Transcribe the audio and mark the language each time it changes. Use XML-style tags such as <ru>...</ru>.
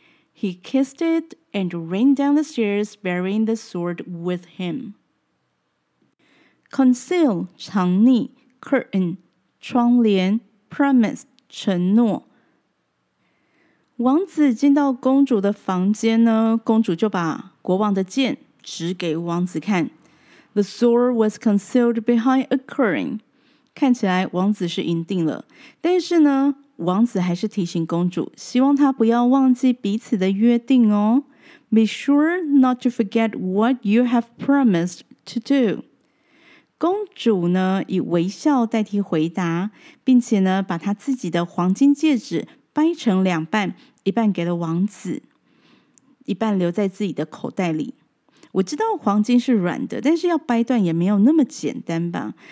<en>He kissed it and ran down the stairs, bearing the sword with him.</en> <zh>Conceal, 藏匿, curtain, 窗帘, promise, 承诺。王子进到公主的房间呢，公主就把国王的剑指给王子看。</zh> <en>The sword was concealed behind a curtain.</en> <zh>看起来王子是赢定了，但是呢，王子还是提醒公主，希望她不要忘记彼此的约定哦。</zh> <en>Be sure not to forget what you have promised to do.</en> <zh>公主呢，以微笑代替回答，并且呢，把她自己的黄金戒指掰成两半，一半给了王子，一半留在自己的口袋里。我知道黄金是软的，但是要掰断也没有那么简单吧。</zh>